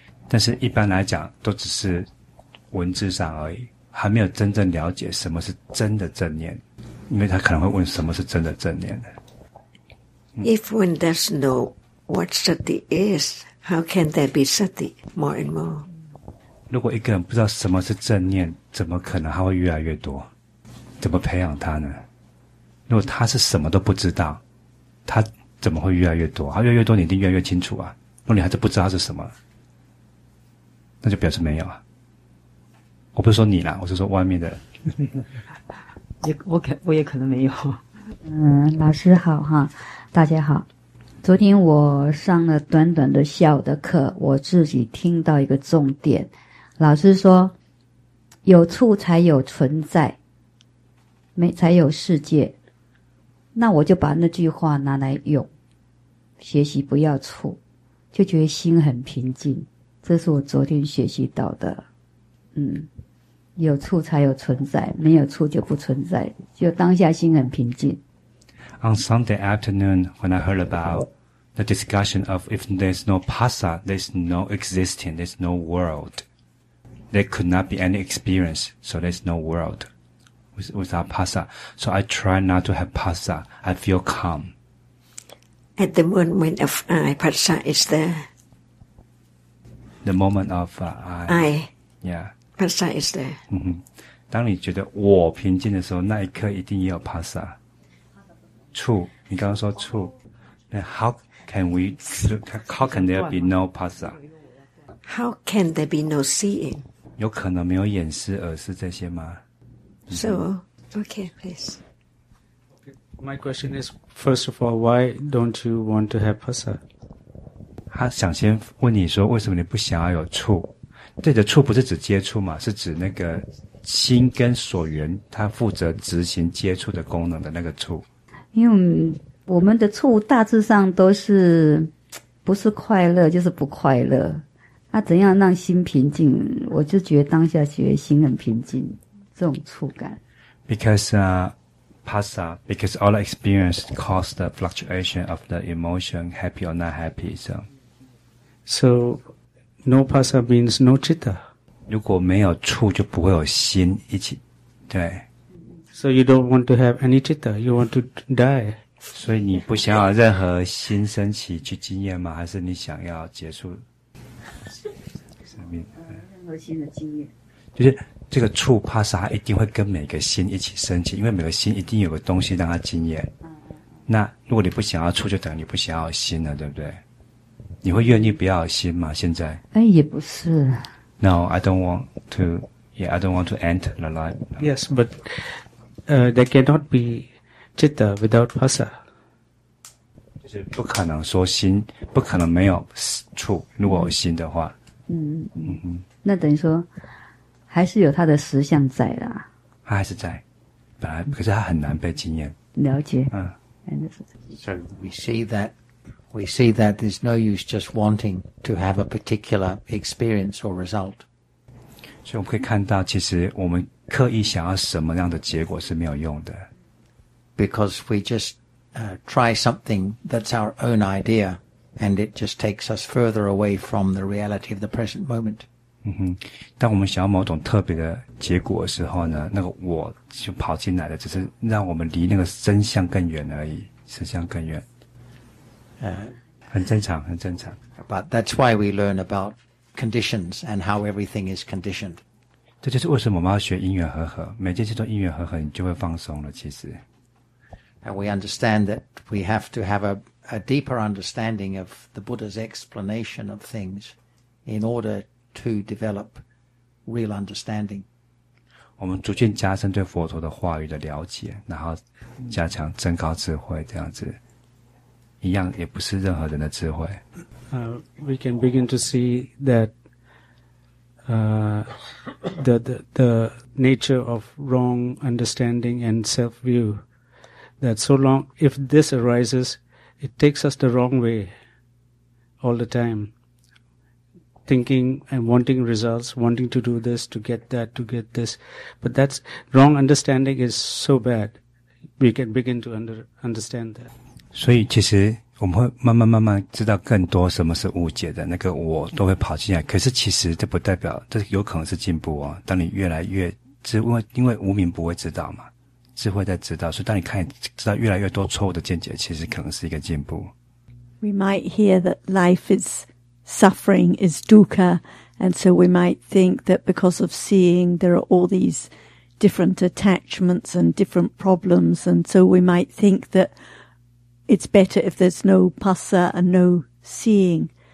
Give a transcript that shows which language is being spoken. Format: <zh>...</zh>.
<zh>但是一般来讲都只是文字上而已还没有真正了解什么是真的正念因为他可能会问什么是真的正念、</zh> <en>嗯、If one does know what sati is, how can there be sati more and more?</en> <zh>如果一个人不知道什么是正念怎么可能他会越来越多怎么培养他呢如果他是什么都不知道他怎么会越来越多他越来越多你一定越来越清楚啊如果你还是不知道是什么那就表示没有啊我不是说你啦我是说外面的我也可能没有老师好哈大家好昨天我上了短短的下午的课我自己听到一个重点老师说有处才有存在没才有世界那我就把那句话拿来用学习不要处就觉得心很平静这是我昨天学习到的嗯，有处才有存在没有处就不存在就当下心很平静</zh> <en>On Sunday afternoon when I heard about the discussion of if there's no pasa there's no existing there's no worldThere could not be any experience, so there's no world without pasa. So I try not to have pasa. I feel calm. At the moment of I, pasa is there. The moment of I. I. Yeah. Pasa is there.</en> <zh>当你觉得我平静的时候，那一刻一定也有 pasa.</zh> <en>True.</en> <zh>你刚刚说</zh> <en>true. Then how can there be no pasa? How can there be no seeing?</en> <zh>有可能没有眼识耳识这些吗</zh> <en>So, okay, please. My question is, first of all, why don't you want to have pasa?</en> <zh>他想先问你说为什么你不想要有触这个触不是指接触嘛是指那个心跟所缘它负责执行接触的功能的那个触因为我们的触大致上都是不是快乐就是不快乐那、啊、怎样让心平静我就觉得当下觉得心很平静这种触感</zh> <en>Because all the experience caused the fluctuation of the emotion happy or not happy So no pasa means no citta</en> <zh>如果没有触就不会有心一起对</zh> <en>So you don't want to have any citta, you want to die.</en> <zh>所以你不想要任何新升起去经验吗？还是你想要结束生命？任何新的经验。就是这个触帕萨一定会跟每个心一起升起，因为每个心一定有个东西让它经验。那如果你不想要触，就等于你不想要心了，对不对？你会愿意不要心吗？现在？哎，也不是。</zh> <en>No, I don't want to. Yeah, I don't want to enter the light. Yes, but there cannot be citta without pasa.</en> <zh>就是不可能说心，不可能没有触。如果有心的话，嗯嗯嗯，那等于说还是有它的实相在啦。它还是在，本来可是它很难被经验。了解。嗯。</zh> <en>So we see that there's no use just wanting to have a particular experience or result.</en> <zh>所以我们可以看到，其实我们刻意想要什么样的结果是没有用的。</zh> <en>Because we just try something that's our own idea, and it just takes us further away from the reality of the present moment.</en> <zh>嗯哼，当我们想要某种特别的结果的时候呢，那个我就跑进来了，只是让我们离那个真相更远而已，实相更远。很正常，很正常。</zh> <en>But that's why we learn about conditions and how everything is conditioned.</en> <zh>这就是为什么我们要学因缘和合，每件事都因缘和合，你就会放松了。其实。</zh> <en>And we understand that we have to have a deeper understanding of the Buddha's explanation of things in order to develop real understanding.</en> <zh>我们逐渐加深对佛陀的话语的了解，然后加强增高智慧，这样子。一样也不是任何人的智慧。</zh> <en>We can begin to see that the nature of wrong understanding and self-view, that so long, if this arises, it takes us the wrong way all the time. Thinking and wanting results, wanting to do this, to get that, to get this. But that's wrong understanding is so bad. We can begin to understand that.</en> <zh>所以其实我们会慢慢慢慢知道更多什么是误解的那个我都会跑进来，可是其实这不代表这有可能是进步哦。当你越来越智慧，因为无明不会知道嘛，智慧在知道，所以当你看知道越来越多错误的见解，其实可能是一个进步。</zh> <en>We might hear that life is suffering is dukkha, and so we might think that because of seeing there are all these different attachments and different problems, and so we might think thatIt's better if there's no pasa and no seeing.</en>